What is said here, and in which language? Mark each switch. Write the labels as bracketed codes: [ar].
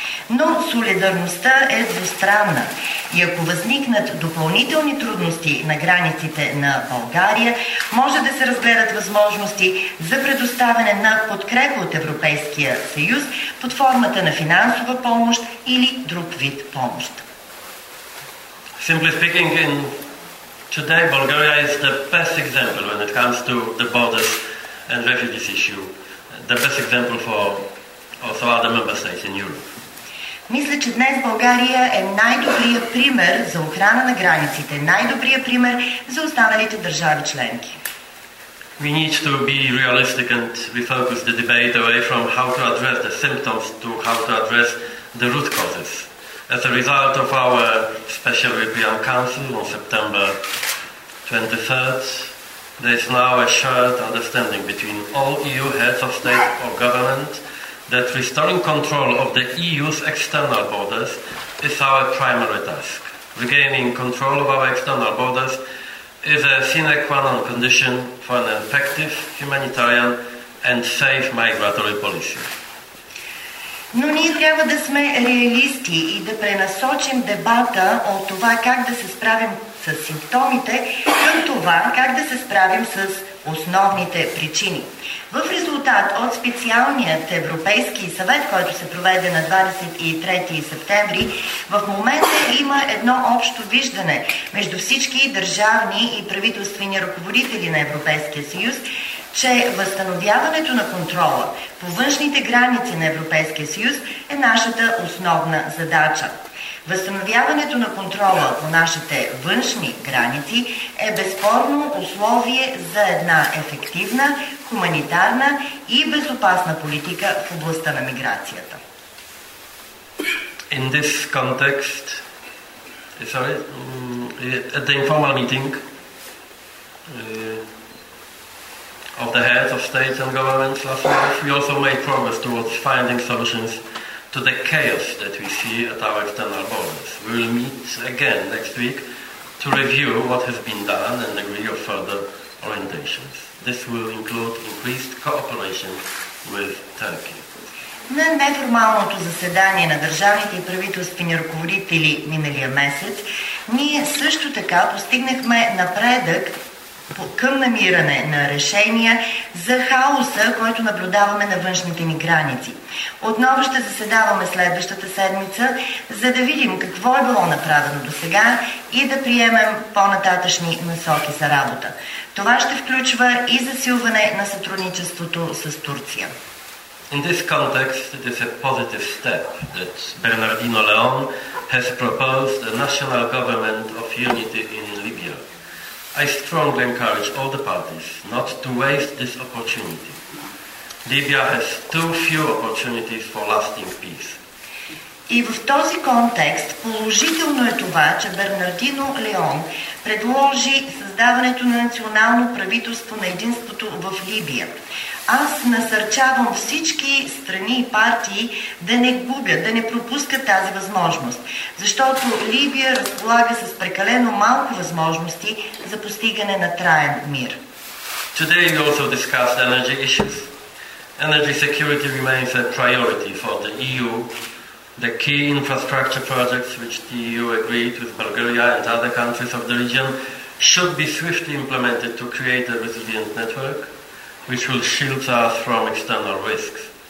[bg] Но солидарността е двустранна и ако възникнат допълнителни трудности на границите на България, може да се разгледат възможности за предоставяне на подкрепа от Европейския съюз под формата на финансова помощ или друг вид помощ. [en] Simply speaking, in today Bulgaria is the best example when it comes to the borders and refugees issue, the best example for also other member states in Europe. [bg] Мисля, че днес България е най-добрия пример за охрана на границите, най-добрия пример за останалите държави членки. [en] We need to be realistic and refocus the debate away from how to address the symptoms to how to address the root causes. As a result of our special European Council on September 23rd, there is now a shared understanding between all EU heads of state or government that restoring control of the EU's external borders is our primary task. Regaining control of our external borders is a sine qua non condition for an effective humanitarian and safe migratory policy. [bg] Но ние трябва да сме реалисти и да пренасочим дебата от това как да се справим с симптомите към това как да се справим с основните причини. В резултат от специалният Европейски съвет, който се проведе на 23 септември, в момента има едно общо виждане между всички държавни и правителствени ръководители на Европейския съюз, че възстановяването на контрола по външните граници на Европейския съюз е нашата основна задача. Възстановяването на контрола по нашите външни граници е безспорно условие за една ефективна, хуманитарна и безопасна политика в областта на миграцията. [en] In this context, sorry, at the informal meeting of the heads of state and governments last month, we also made progress towards finding solutions to the chaos that we see at our external borders. We will meet again next week to review what has been done and agree on further orientations. This will include increased cooperation with Turkey. [bg] На неформалното заседание на държавните и правителствени ръководители миналия месец, ние също така постигнахме напредък към намиране на решения за хаоса, който наблюдаваме на външните ни граници. Отново ще заседаваме следващата седмица, за да видим какво е било направено досега и да приемем по-нататъчни насоки за работа. Това ще включва и засилване на сътрудничеството с Турция. [en] In this context, it is a positive step that Bernardino León has proposed a national government of unity in Libya. I strongly encourage all the parties not to waste this opportunity. Libya has too few opportunities for lasting peace. [bg] И в този контекст положително е това, че Бернардино Леон предложи създаването на национално правителство на единството в Либия. Аз насърчавам всички страни и партии да не губят, да не пропускат тази възможност, защото Либия разполага с прекалено малко възможности за постигане на траен мир. [en] Today we also discussed energy issues. Energy security remains a priority for the EU. The key infrastructure projects which the EU agreed with Bulgaria and other countries of the region should be swiftly implemented to create a resilient network which will shield us from external risks.